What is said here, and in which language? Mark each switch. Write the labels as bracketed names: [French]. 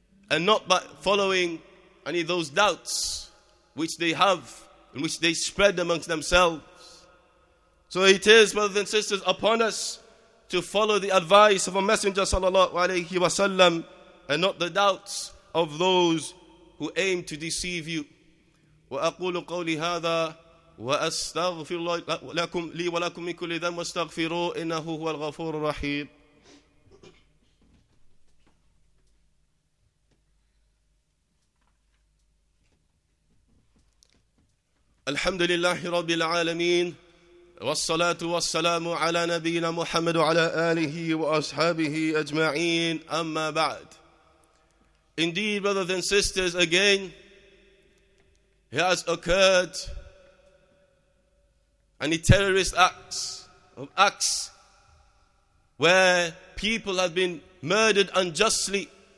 [English] and not by following any of those doubts which they have and which they spread amongst themselves. So it is, brothers and sisters, upon us to follow the advice of a messenger sallallahu alayhi wa sallam, and not the doubts of those who aim to deceive you. [Arabic] وأقول قولي هذا وأستغفر لكم لي ولكم من كل ذنب واستغفروه إنه هو الغفور الرحيم. الحمد لله رب العالمين والصلاة والسلام على نبينا محمد وعلى آله وأصحابه أجمعين أما بعد. [English] Indeed, brothers and sisters, again, it has occurred any terrorist acts where people have been murdered unjustly.